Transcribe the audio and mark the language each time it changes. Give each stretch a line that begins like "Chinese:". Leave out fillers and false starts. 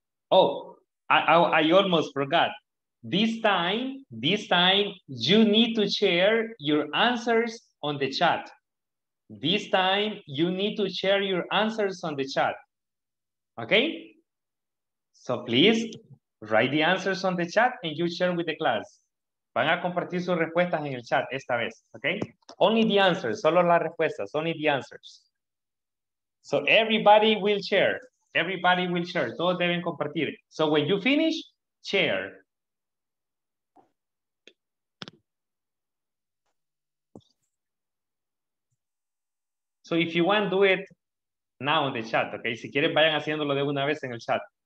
English: Oh, I almost forgot. This time, you need to share your answers on the chat. This time, you need to share your answers on the chat, okay? So please write the answers on the chat and you share with the class.
Spanish: Van a compartir sus respuestas en el chat esta vez, okay?
English: Only the answers,
Spanish: solo las respuestas,
English: only the answers. So everybody will share. Everybody will share.
Spanish: Todos deben compartir.
English: So when you finish, share. So if you want, do it now in the chat, okay?
Spanish: Si quieren, vayan haciéndolo de una vez en el chat.